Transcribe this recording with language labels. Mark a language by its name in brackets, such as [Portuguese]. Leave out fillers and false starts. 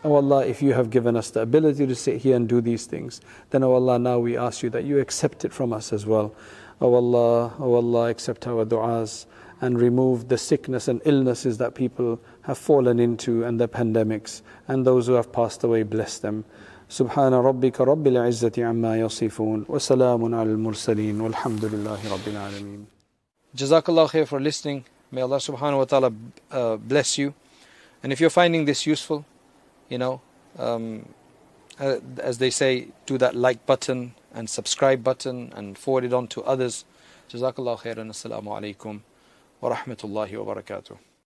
[English] Oh Allah, if you have given us the ability to sit here and do these things, then oh Allah, now we ask you that you accept it from us as well. Oh Allah, accept our du'as and remove the sickness and illnesses that people have fallen into, and the pandemics, and those who have passed away, bless them. [Arabic] سبحان ربك رب العزة عما يصفون وسلام على المرسلين والحمد لله رب العالمين. [English] Jazakallah khair for listening. May Allah subhanahu wa ta'ala bless you. And if you're finding this useful, you know, as they say, do that like button and subscribe button and forward it on to others. Jazakallah khair and assalamu alaikum wa rahmatullahi wa barakatuh.